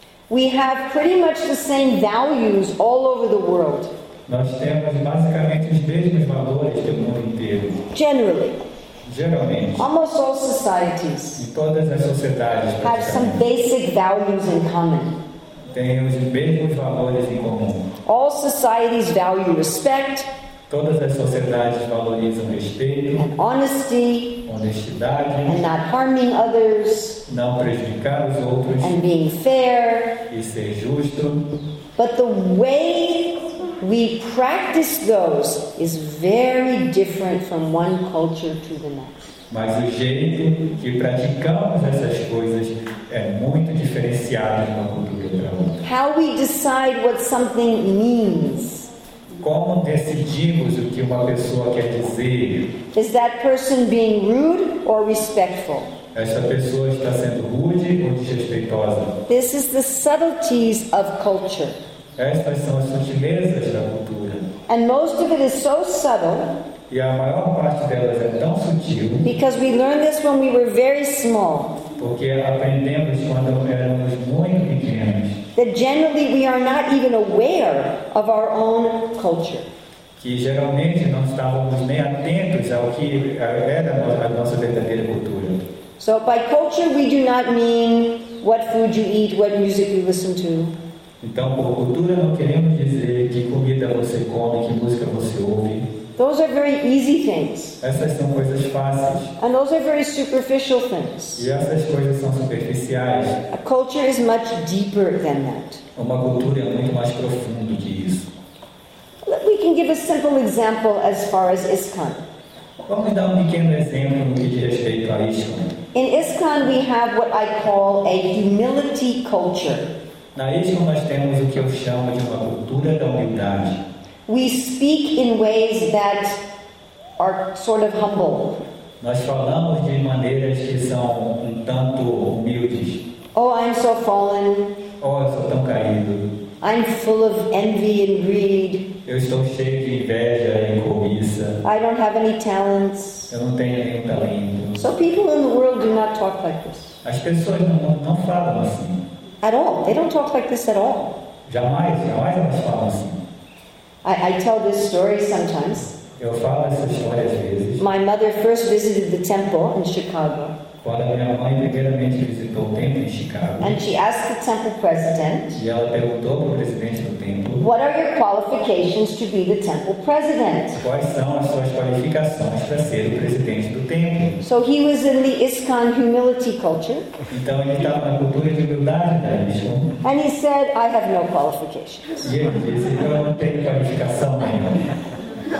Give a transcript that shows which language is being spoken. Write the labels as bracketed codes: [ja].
[en] We have pretty much the same values all over the world. [pt] Nós temos basicamente os mesmos valores do mundo inteiro. Geralmente. [en] Almost all societies. [pt] E todas as sociedades. [en] Have some basic values in common. [pt] Têm os mesmos valores em comum. [en] All societies value respect. [pt] Todas as sociedades valorizam respeito. [en] And honesty. [pt] Honestidade. [en] And not harming others. [pt] Não prejudicar os outros. [en] And being fair. [pt] E ser justo. [en] But the way we practice those is very different from one culture to the next. [pt] Mas o jeito que praticamos essas coisas é muito diferenciado de uma cultura para outra. [en] How we decide what something means. [pt] Como decidimos o que uma pessoa quer dizer? [en] Is that person being rude or respectful? [pt] Essa pessoa está sendo rude ou desrespeitosa? [en] This is the subtleties of culture. [pt] Estas são as sutilezas da cultura. [en] And most of it is so subtle. [pt] E a maior parte delas é tão sutil. [en] Because we learned this when we were very small. [pt] Porque aprendemos quando éramos muito pequenos. [en] That generally we are not even aware of our own culture. [pt] Que geralmente não estávamos nem atentos ao que era a nossa verdadeira cultura. [en] So by culture we do not mean what food you eat, what music you listen to. [pt] Então, por cultura, não queremos dizer que comida você come, que música você ouve. [en] Those are very easy things. [pt] Essas são coisas fáceis. [en] And those are very superficial things. [pt] E essas coisas são superficiais. [en] A culture is much deeper than that. [pt] Uma cultura é muito mais profundo que isso. [en] We can give a simple example as far as ISKCON. [pt] Vamos dar um pequeno exemplo no que diz respeito a ISKCON. [en] In ISKCON, we have what I call a humility culture. [pt] Na ISKCON nós temos o que eu chamo de uma cultura da humildade. [en] We speak in ways that are sort of humble. [pt] Nós falamos de maneiras que são um tanto humildes. [en] Oh, I'm so fallen. [pt] Oh, eu sou tão caído. [en] I'm full of envy and greed. [pt] Eu estou cheio de inveja e cobiça. [en] I don't have any talents. [pt] Eu não tenho nenhum talento. [en] So people in the world do not talk like this. [pt] As pessoas não falam assim. [en] At all. They don't talk like this at all. [pt] Jamais elas falam assim. [en] I tell this story sometimes. [pt] Eu falo essa história às vezes. [en] My mother first visited the temple in Chicago. [pt] Quando minha mãe primeiramente visitou o templo em Chicago. [en] And she asked the temple president. [pt] E ela perguntou para o presidente do templo. [en] What are your qualifications to be the temple president? [pt] Quais são as suas qualificações para ser o presidente do templo? [en] So he was in the ISKCON humility culture. [pt] Então ele estava na cultura de humildade da ISKCON. [en] And he said, I have no qualifications. [pt] E ele disse, eu não tenho qualificação nenhuma.